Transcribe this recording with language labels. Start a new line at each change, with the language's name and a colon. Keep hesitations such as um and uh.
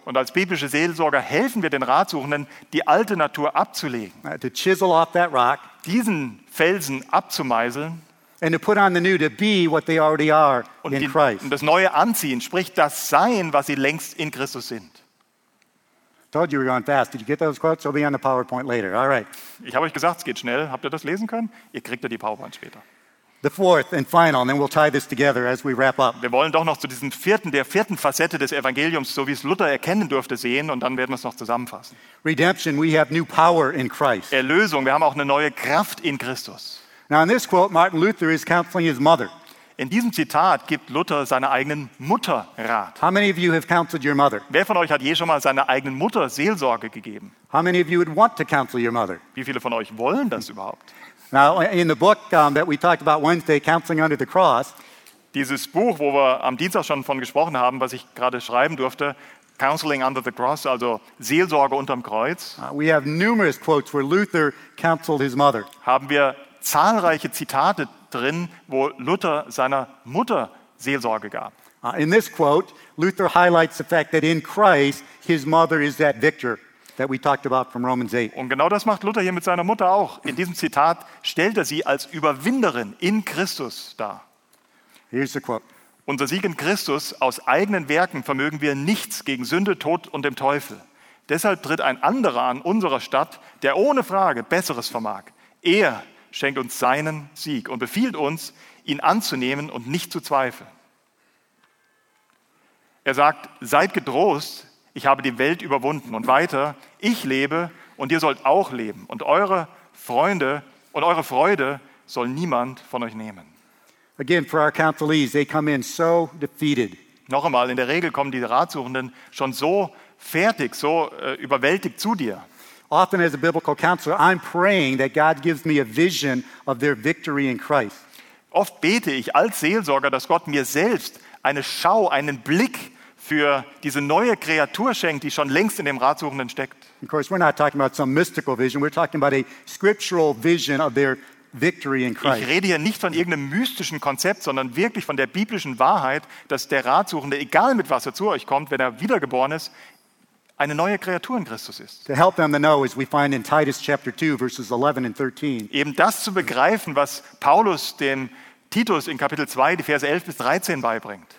German: Und als biblische Seelsorger helfen wir den Ratsuchenden, die alte Natur abzulegen. Uh,
English: to chisel off that rock,
German: diesen Felsen abzumeißeln und das neue anziehen, sprich das sein, was sie längst in Christus sind.
English: I told you, you were going fast. Did you get those quotes? I'll be on the PowerPoint later. All right.
German: Ich habe euch gesagt, es geht schnell. Habt ihr das lesen können? Ihr kriegt ja die PowerPoint später.
English: The fourth and final, and then we'll tie this together as we wrap up.
German: Wir wollen doch noch zu diesem vierten, der vierten Facette des Evangeliums, so wie es Luther erkennen durfte, sehen, und dann werden wir es noch zusammenfassen.
English: Redemption, we have new power in Christ.
German: Erlösung. Wir haben auch eine neue Kraft in Christus.
English: Now in this quote, Martin Luther is counseling his mother.
German: In diesem Zitat gibt Luther seiner eigenen Mutter Rat.
English: How many of you have counseled your mother?
German: Wer von euch hat je schon mal seiner eigenen Mutter Seelsorge gegeben?
English: How many of you would want to counsel your mother?
German: Wie viele von euch wollen das überhaupt?
English: Now in the book um, that we talked about Wednesday, Counseling Under the Cross.
German: Dieses Buch, wo wir am Dienstag schon von gesprochen haben, was ich gerade schreiben durfte, Counseling Under the Cross, also Seelsorge unter dem Kreuz. Now,
English: we have numerous quotes where Luther counseled his mother.
German: Haben wir zahlreiche Zitate drin, wo Luther seiner Mutter Seelsorge gab.
English: In this quote, Luther highlights the fact that in Christ his mother is that victor that we talked about from Romans 8.
German: Und genau das macht Luther hier mit seiner Mutter auch. In diesem Zitat stellt er sie als Überwinderin in Christus dar.
English: Here's the quote.
German: Unser Sieg in Christus aus eigenen Werken vermögen wir nichts gegen Sünde, Tod und dem Teufel. Deshalb tritt ein anderer an unserer Stadt, der ohne Frage Besseres vermag. Er, schenkt uns seinen Sieg und befiehlt uns, ihn anzunehmen und nicht zu zweifeln. Er sagt, seid getrost, ich habe die Welt überwunden und weiter, ich lebe und ihr sollt auch leben und eure Freunde und eure Freude soll niemand von euch nehmen.
English: Again, for our Catholics, they come in so defeated.
German: Noch einmal, in der Regel kommen die Ratsuchenden schon so fertig, so äh, überwältigt zu dir
English: often as a biblical counselor, Oft
German: bete ich als Seelsorger, dass Gott mir selbst eine Schau, einen Blick für diese neue Kreatur schenkt, die schon längst in dem Ratsuchenden steckt.
English: Of we're not talking about some mystical vision. We're talking about a scriptural vision of their victory in Christ.
German: Ich rede hier nicht von irgendeinem mystischen Konzept, sondern wirklich von der biblischen Wahrheit, dass der Ratsuchende, egal mit was er zu euch kommt, wenn er wiedergeboren ist, eine neue Kreatur in Christus ist.
English: Know, in 2, 13, Eben
German: das zu begreifen, was Paulus dem Titus in Kapitel 2, die Verse 11 bis 13 beibringt.